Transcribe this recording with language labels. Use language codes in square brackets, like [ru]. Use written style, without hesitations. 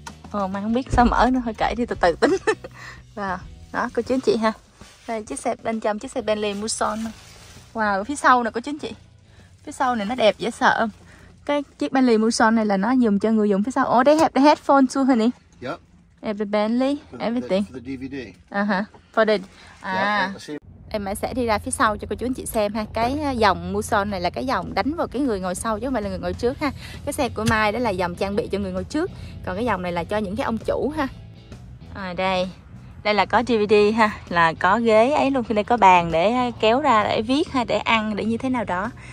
[vi] Ồ, mày không biết sao mở nó, thôi kể đi từ từ tính. Wow, đó, cô chú anh chị ha. Đây, chiếc xe bên trong, chiếc xe Bentley Mouson. Wow, phía sau nè cô chú anh chị. Phía sau này nó đẹp dễ sợ. Cái chiếc Bentley Mouson này là nó dùng cho người dùng phía sau. [en] Oh, they have the headphone too, honey. Yep. The Bentley, everything. For the DVD. Uh-huh. For the... [vi] Em sẽ đi ra phía sau cho cô chú anh chị xem ha. Cái dòng Mouson này là cái dòng đánh vào cái người ngồi sau chứ không phải là người ngồi trước ha. Cái xe của Mai đó là dòng trang bị cho người ngồi trước. Còn cái dòng này là cho những cái ông chủ ha. À, đây. Đây là có DVD ha, là có ghế ấy luôn, đây có bàn để kéo ra để viết ha, để ăn, để như thế nào đó.